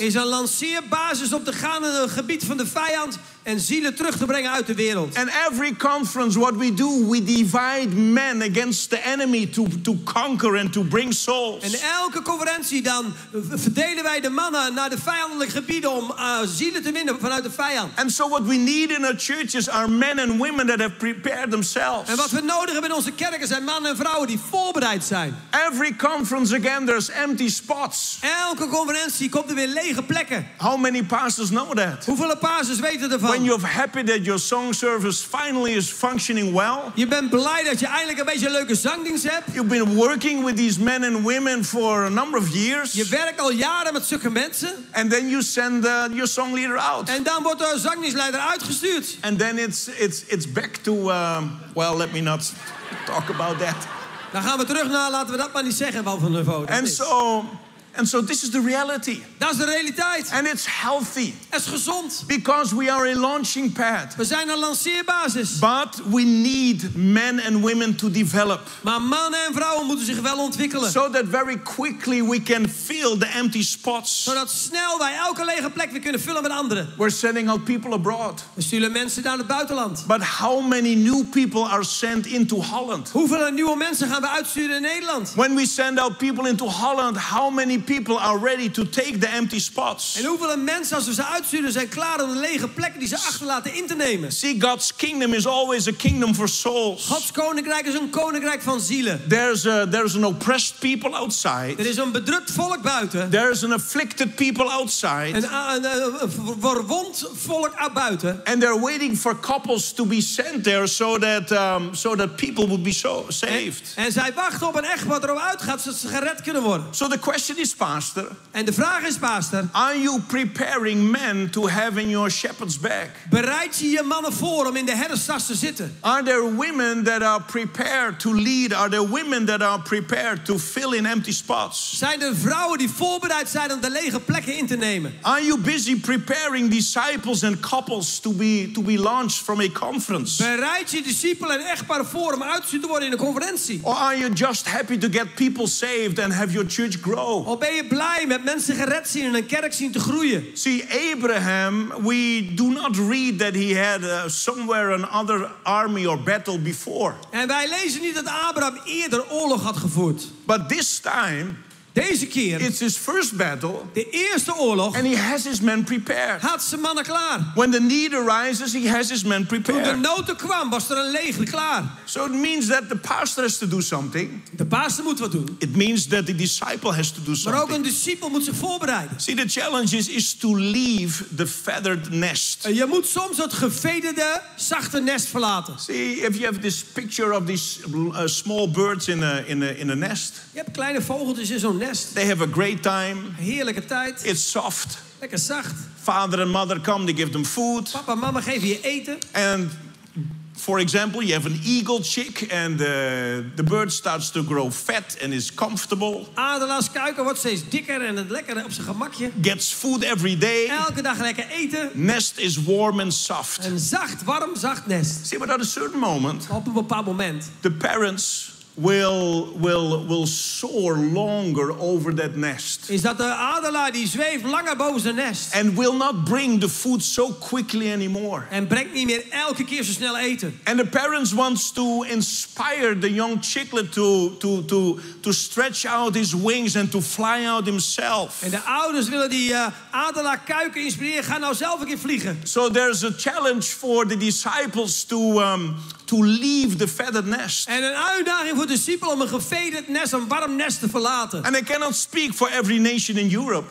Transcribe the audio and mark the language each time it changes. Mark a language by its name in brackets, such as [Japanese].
[Dutch] Is een lanceerbasis om te gaan in het gebied van de vijand en zielen terug te brengen uit de wereld. [English] And every conference, what we do, we divide men against the enemy to conquer and to bring souls. [Dutch] En elke conferentie dan verdelen wij de mannen naar de vijandelijke gebieden om zielen te winnen vanuit de vijand. [English] And so what we need in our churches are men and women that have prepared themselves. [Dutch] En wat we nodig hebben in onze kerken zijn mannen en vrouwen die voorbereid zijn. [English] Every conference again there's empty spots. [Dutch] Elke conferentie komt er weer lege plekken. [English] How many pastors know that? [Dutch] Hoeveel pastors weten ervan? [English] When you're happy that your song service finally is functioning well. [Dutch] Je bent blij dat je eindelijk een beetje een leuke zangdienst hebt. [English] You've been working with these men and women for a number of years. [Dutch] Je werkt al jaren met zulke mensen. [English] And then you send your song leader out. [Dutch] En dan wordt de zangdienstleider uitgestuurd. [English] And then it's back to let me not talk about that. [Dutch] Dan gaan we terug naar, laten we dat maar niet zeggen, wat voor niveau dat [English] and [Dutch] is. [English] And so this is the reality. [Dutch] Dat is de realiteit. [English] And it's healthy. [Dutch] Het is gezond. [English] Because we are a launching pad. [Dutch] We zijn een lanceerbasis. [English] But we need men and women to develop. [Dutch] Maar mannen en vrouwen moeten zich wel ontwikkelen. [English] So that very quickly we can fill the empty spots. [Dutch] Zodat snel wij elke lege plek weer kunnen vullen met anderen. [English] We're sending out people abroad. [Dutch] We sturen mensen naar het buitenland. [English] But how many new people are sent into Holland? [Dutch] Hoeveel nieuwe mensen gaan we uitsturen in Nederland? [English] When we send out people into Holland, how many people are ready to take the empty spots. [Dutch] En hoeveel mensen als we ze uitsturen zijn klaar om de lege plekken die ze achterlaten in te nemen. [English] See, God's kingdom is always a kingdom for souls. [Dutch] Gods koninkrijk is een koninkrijk van zielen. [English] There's an oppressed people outside. [Dutch] Er is een bedrukt volk buiten. [English] There's an afflicted people outside. [Dutch] Een verwond volk buiten. [English] And they're waiting for couples to be sent there so that people would be so saved. [Dutch] En zij wachten op een echtpaar erop uitgaat zodat ze gered kunnen worden. [English] So the question is, pastor. [Dutch] En de vraag is, pastor. [English] Are you preparing men to have in your shepherd's bag? [Dutch] Bereid je je mannen voor om in de herderstas te zitten? [English] Are there women that are prepared to lead? Are there women that are prepared to fill in empty spots? [Dutch] Zijn er vrouwen die voorbereid zijn om de lege plekken in te nemen? [English] Are you busy preparing disciples and couples to be launched from a conference? [Dutch] Bereid je discipelen en echtpaar voor om uitgezonden te worden in een conferentie? [English] Or are you just happy to get people saved and have your church grow? [Dutch] Of ben je blij met mensen gered zien en een kerk zien te groeien? [English] See, Abraham, we do not read that he had somewhere another army or battle before. [Dutch] En wij lezen niet dat Abraham eerder oorlog had gevoerd. [English] But this time, [Dutch] deze keer, [English] it's his first battle. [Dutch] De eerste oorlog. [English] And he has his men prepared. [Dutch] Had zijn mannen klaar. [English] When the need arises, he has his men prepared. [Dutch] Toen de nood kwam, was er een leger klaar. [English] So it means that the pastor has to do something. [Dutch] De pastor moet wat doen. [English] It means that the disciple has to do something. [Dutch] Maar ook een discipel moet zich voorbereiden. [English] See, the challenge is to leave the feathered nest. [Dutch] Je moet soms het gevederde, zachte nest verlaten. [English] See, if you have this picture of these small birds in a nest. [Dutch] Je hebt kleine vogeltjes in zo'n nest. [English] They have a great time. [Dutch] Heerlijke tijd. [English] It's soft. [Dutch] Lekker zacht. [English] Father and mother come, they give them food. [Dutch] Papa en mama geven je eten. [English] And for example, you have an eagle chick and the bird starts to grow fat and is comfortable. [Dutch] Adelaars kuiken wordt steeds dikker en het lekker op zijn gemakje. [English] Gets food every day. [Dutch] Elke dag lekker eten. [English] Nest is warm and soft. [Dutch] Een zacht, warm, zacht nest. [English] See, but at a certain moment. [Dutch] Op een bepaald moment. [English] The parents will soar longer over that nest. [Dutch] Is dat de adelaar die zweeft langer boven zijn nest? [English] And will not bring the food so quickly anymore. [Dutch] En brengt niet meer elke keer zo snel eten. [English] And the parents wants to inspire the young chicklet to stretch out his wings and to fly out himself. [Dutch] En de ouders willen die adelaar kuiken inspireren, ga nou zelf een keer vliegen. [English] So there's a challenge for the disciples to leave the feathered nest. [Dutch] En een uitdaging voor discipelen om een gevederd nest, een warm nest te verlaten. [English] And I cannot speak for every nation in Europe.